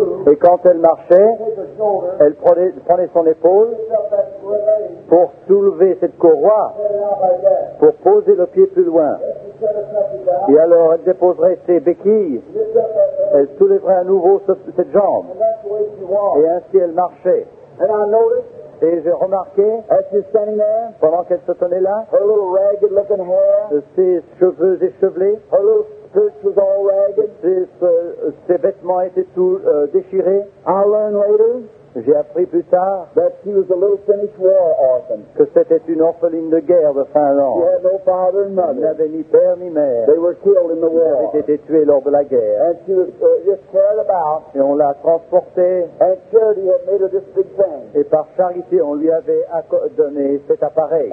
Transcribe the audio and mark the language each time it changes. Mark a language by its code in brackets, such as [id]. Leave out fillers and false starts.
[fr] Et quand elle marchait, elle prenait son épaule pour soulever cette courroie, pour poser le pied plus loin. Et alors elle déposerait ses béquilles, elle soulèverait à nouveau cette jambe. Et ainsi elle marchait. [en] And I noticed, [fr] et j'ai remarqué, [en] as she's standing there, [fr] pendant qu'elle se tenait là, [en] her little ragged looking hair, [fr] ses cheveux échevelés, [en] her little skirt was all ragged, [fr] ses vêtements étaient tous déchirés. [en] I learned later, [fr] j'ai appris plus tard, [en] that she was a little Finnish war orphan, [fr] que c'était une orpheline de guerre de Finlande. [en] She had no father and mother. [fr] Elle n'avait ni père ni mère. [en] They were killed in the war. [fr] Ils avaient été tués lors de la guerre. [en] And she was just carried about. [fr] Et on l'a transportée. [en] And charity had made her this big thing. [fr] Et par charité, on lui avait donné cet appareil.